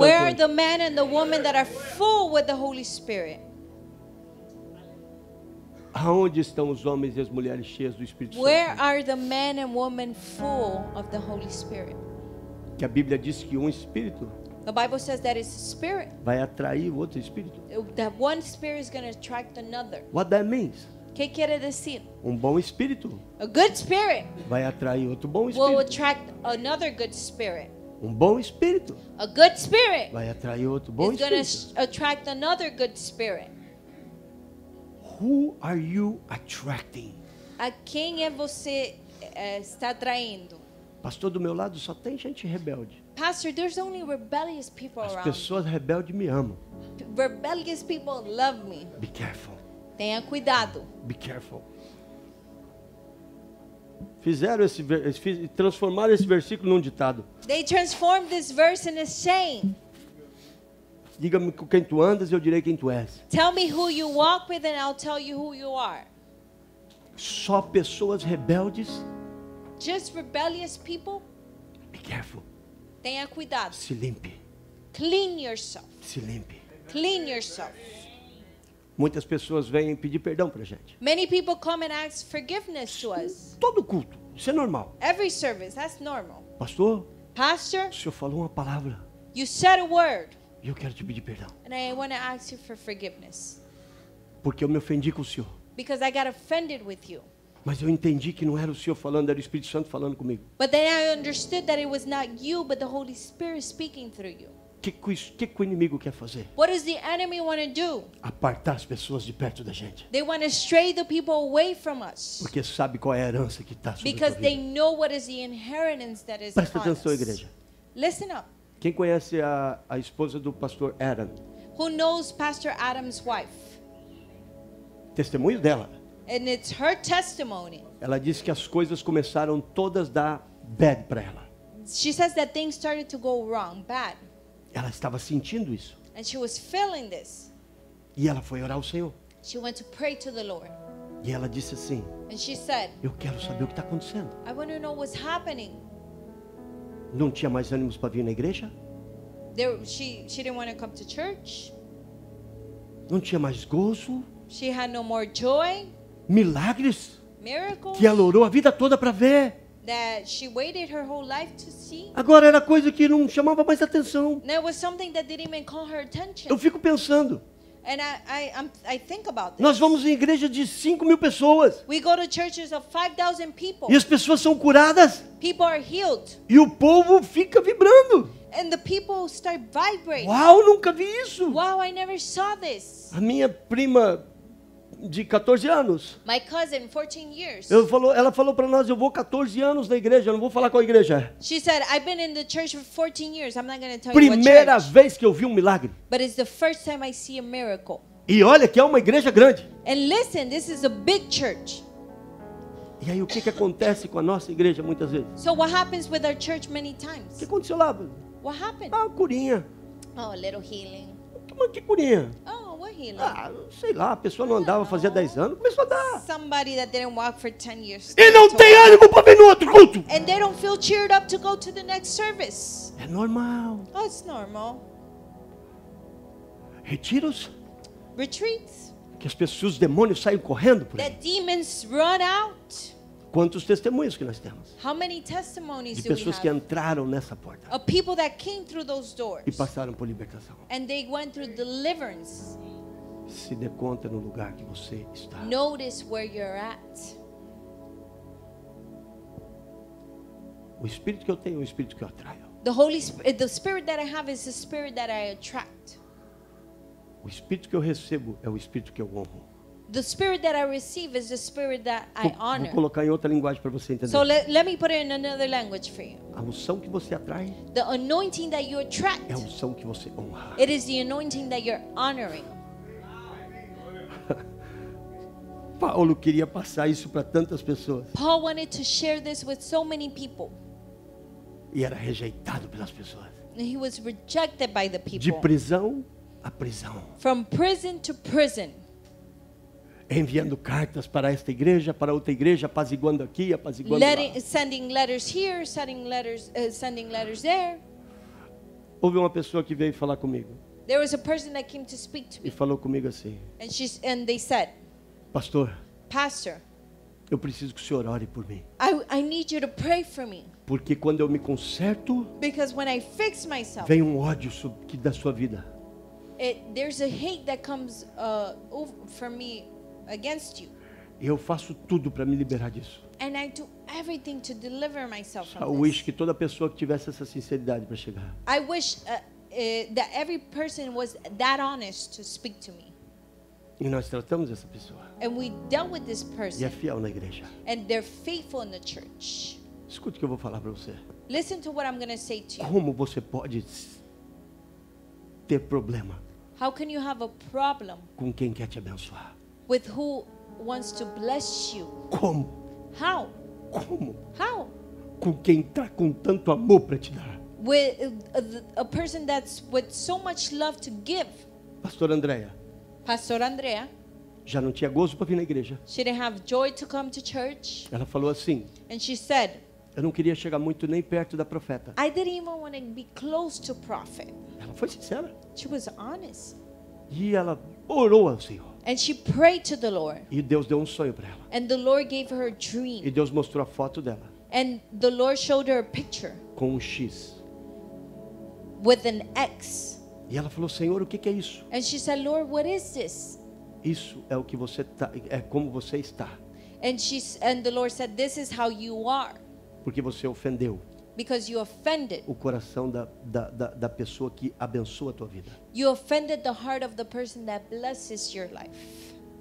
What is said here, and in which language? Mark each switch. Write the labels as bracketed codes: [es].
[en] Where are the men and the women that are full with the Holy Spirit? [pt] Aonde estão os homens e as mulheres cheias do Espírito Santo? [en] Where are the men and women full of the Holy Spirit? [pt] Que a Bíblia diz que um espírito. [en] The Bible says that it's a spirit. [pt] Vai atrair outro espírito. [en] That one spirit is going to attract another. What that means? [pt] Que quer dizer? Um bom espírito. [en] A good spirit. [pt] Vai atrair outro bom espírito. [en] Will attract another good spirit. [pt] Um bom espírito. [en] A good spirit. [pt] Vai atrair outro bom espírito. [en] Is going to attract another good spirit. Who are you attracting? [pt] A quem é você está atraindo? Pastor, do meu lado só tem gente rebelde. [en] Pastor, there's only rebellious people around. [pt] As pessoas rebeldes me amam. [en] Rebellious people love me. Be careful. [pt] Tenha cuidado. [en] Be careful. [pt] Fizeram esse transformaram esse versículo num ditado. [en] They transformed this verse in a saying. [pt] Diga-me com quem tu andas e eu direi quem tu és. [en] Tell me who you walk with and I'll tell you who you are. [pt] Só pessoas rebeldes? [en] Just rebellious people? Be careful. [pt] Tenha cuidado. Se limpe. [en] Clean yourself. [pt] Se limpe. [en] Clean yourself. [pt] Muitas pessoas vêm pedir perdão pra gente. [en] Many people come and ask forgiveness to us. [pt] Todo culto, isso é normal. [en] Every service, that's normal. [pt] Pastor? [en] Pastor? [pt] O senhor falou uma palavra. [en] You said a word. [pt] E eu quero te pedir perdão. [en] And I want to ask you for forgiveness. [pt] Porque eu me ofendi com o senhor. [en] Because I got offended with you. [pt] Mas eu entendi que não era o senhor falando, era o Espírito Santo falando comigo. [en] But then I understood that it was not you, but the Holy Spirit speaking through you. [pt] Que o inimigo quer fazer? [en] What does the enemy want to do? [pt] Apartar as pessoas de perto da gente. [en] They want to stray the people away from us. [pt] Porque sabe qual é a herança que está sobre. [en] Because they know what is the inheritance that is. [pt] Presta atenção, igreja. [en] Listen up. [pt] Quem conhece a esposa do pastor Adam? [en] Who knows Pastor Adam's wife? [pt] Testemunho dela. [en] And it's her testimony. [pt] Ela disse que as coisas começaram todas a dar bad para ela. [en] She says that things started to go wrong, bad. [pt] Ela estava sentindo isso. [en] And she was feeling this. [pt] E ela foi orar ao Senhor. [en] She went to pray to the Lord. [pt] E ela disse assim. [en] And she said, [pt] eu quero saber o que está acontecendo. [en] I want to know what's happening. [pt] Não tinha mais ânimos para vir na igreja? [en] She didn't want to come to church. [pt] Não tinha mais gozo? [en] She had no more joy. [pt] Milagres? [en] Miracles? [pt] Que ela orou a vida toda para ver? [en] That she waited her whole life to see. [pt] Agora era coisa que não chamava mais atenção. [en] Now it was something that didn't even call her attention. [pt] Eu fico pensando. [en] And I think about this. [pt] Nós vamos em igrejas de 5 mil pessoas. [en] We go to churches of 5,000 people. [pt] E as pessoas são curadas. [en] People are healed. [pt] E o povo fica vibrando. [en] And the people start vibrating. [pt] Uau, nunca vi isso. [en] Wow, I never saw this. [pt] A minha prima de 14 anos. [en] My cousin, 14 years. [pt] Ela falou para nós, eu vou 14 anos na igreja, eu não vou falar qual igreja. [en] She said, I've been in the church for 14 years. I'm not going to tell you what. [pt] Primeira vez que eu vi um milagre. [en] But it's the first time I see a miracle. [pt] E olha que é uma igreja grande. [en] And listen, this is a big church. [pt] E aí o que que acontece com a nossa igreja muitas vezes? [en] So what happens with our church many times? [pt] O que aconteceu lá? [en] What happened? [pt] Ah, curinha. [en] Oh, a little healing. [pt] Mas que curinha? [en] Oh, what healing? [pt] Ah, sei lá, a pessoa não andava fazia 10 anos, começou a dar. [en] Somebody that didn't walk for 10 years. [pt] E não tem ânimo para vir no outro culto. [en] And they don't feel cheered up to go to the next service. [pt] É normal. [en] Oh, it's normal. [pt] Retiros? [en] Retreats? [pt] Que as pessoas, os demônios saem correndo por aí. [en] That demons run out. [pt] Quantos testemunhos que nós temos? [en] How many testimonies [pt] de pessoas que entraram nessa porta. [en] Of people that came through those doors. [pt] E passaram por libertação. [en] And they went through deliverance. [pt] Se dê conta no lugar que você está. [en] Notice where you're at. [pt] O espírito que eu tenho é o espírito que eu atraio. [en] The Holy Spirit, the spirit that I have is the spirit that I attract. [pt] O espírito que eu recebo é o espírito que eu honro. [en] The spirit that I receive is the spirit that I honor. [pt] Vou colocar em outra linguagem para você entender. [en] So let me put it in another language for you. [pt] A unção que você atrai. [en] The anointing that you attract. [pt] É a unção que você honra. [en] It is the anointing that you're honoring. [pt] Paulo queria passar isso para tantas pessoas. [en] Paul wanted to share this with so many people. [pt] E era rejeitado pelas pessoas. [en] And he was rejected by the people. [pt] De prisão a prisão. [en] From prison to prison. [pt] Enviando cartas para esta igreja, para outra igreja, apaziguando aqui, apaziguando lá. [en] Sending letters here, sending letters there. [pt] Houve uma pessoa que veio falar comigo. [en] There was a person that came to speak to me. [pt] E falou comigo assim. [en] And they said, [pt] Pastor. [en] Pastor. [pt] Eu preciso que o Senhor ore por mim. [en] I need you to pray for me. [pt] Porque quando eu me conserto, [en] because when I fix myself, [pt] vem um ódio que da sua vida. [en] There's a hate that comes for me against you. [pt] Eu faço tudo para me liberar disso. [en] And I do everything to deliver myself from this. [pt] Eu wish que toda pessoa que tivesse essa sinceridade para chegar. [en] I wish that every person was that honest to speak to me. [pt] E nós tratamos essa pessoa. [en] And we dealt with this person. [pt] E é fiel na igreja. [en] And they're faithful in the church. [pt] Escute o que eu vou falar para você. [en] Listen to what I'm going to say to you. [pt] Como você pode ter problema? [en] How can you have a problem? [pt] Com quem quer te abençoar? [en] With who wants to bless you? [pt] Como? [en] How? [pt] Como? [en] How? [pt] Com quem está com tanto amor para te dar? [en] With a person that's with so much love to give. [pt] Pastor Andrea. [en] Pastor Andrea. [pt] Já não tinha gozo para vir na igreja. [en] She didn't have joy to come to church. [pt] Ela falou assim. [en] And she said. [pt] Eu não queria chegar muito nem perto da profeta. [en] I didn't even want to be close to prophet. [pt] Ela foi sincera. [en] She was honest. [pt] E ela orou ao Senhor. [en] And she prayed to the Lord. [pt] E Deus deu um sonho para ela. [en] And the Lord gave her a dream. [pt] E Deus mostrou a foto dela. [en] And the Lord showed her a picture. [pt] Com um X. [en] With an X. [pt] E ela falou: Senhor, o que é isso? [en] And she said, Lord, what is this? [pt] Isso é o que você tá, é como você está. [en] And the Lord said, this is how you are. [pt] Porque você ofendeu. [en] Because you offended. [pt] O coração da pessoa que abençoa a tua vida. [en] You offended the heart of the person that blesses your life.